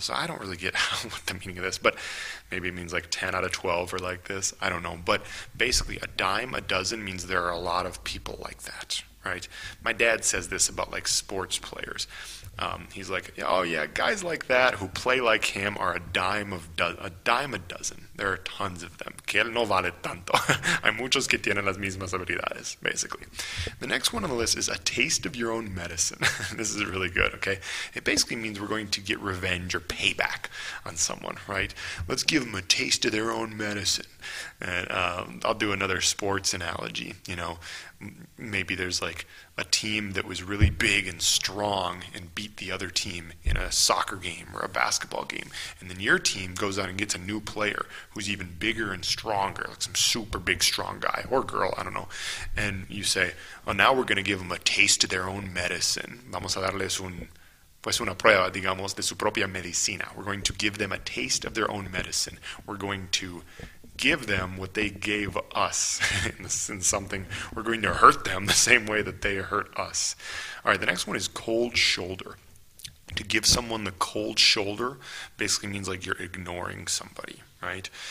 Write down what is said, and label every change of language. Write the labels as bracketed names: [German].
[English] So I don't really get what the meaning of this, but maybe it means like 10 out of 12 or like this. I don't know. But basically, a dime a dozen means there are a lot of people like that, right? My dad says this about like sports players. He's like, oh yeah, guys like that who play like him are a dime a dozen. There are tons of them. [Spanish] Que él no vale tanto. Hay muchos que tienen las mismas habilidades, basically. [English] The next one on the list is a taste of your own medicine. This is really good, okay? It basically means we're going to get revenge or payback on someone, right? Let's give them a taste of their own medicine. And I'll do another sports analogy, you know. Maybe there's like a team that was really big and strong and beat the other team in a soccer game or a basketball game. And then your team goes out and gets a new player who's even bigger and stronger, like some super big strong guy or girl, I don't know. And you say, well, now we're going to give them a taste of their own medicine. [Spanish] Vamos a darles una prueba, digamos, de su propia medicina. [English] We're going to give them a taste of their own medicine. We're going to give them what they gave us in something. We're going to hurt them the same way that they hurt us. All right, the next one is cold shoulder. To give someone the cold shoulder basically means like you're ignoring somebody, right?